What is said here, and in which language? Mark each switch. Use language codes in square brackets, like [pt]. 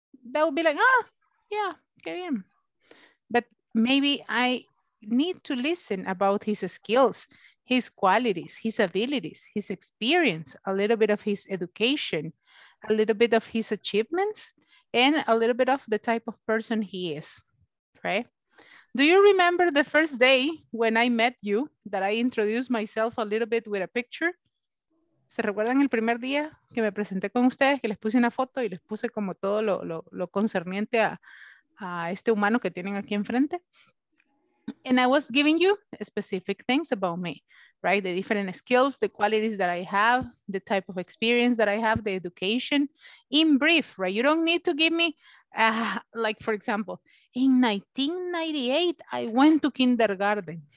[en] That would be like, ah, yeah, [es] qué bien. [en] But maybe I need to listen about his skills, his qualities, his abilities, his experience, a little bit of his education, a little bit of his achievements, and a little bit of the type of person he is, right? Do you remember the first day when I met you that I introduced myself a little bit with a picture? [es] ¿Se recuerdan el primer día que me presenté con ustedes, que les puse una foto y les puse como todo lo concerniente a este humano que tienen aquí enfrente? [en] And I was giving you specific things about me, right? The different skills, the qualities that I have, the type of experience that I have, the education. In brief, right? You don't need to give me, like, for example, in 1998, I went to kindergarten.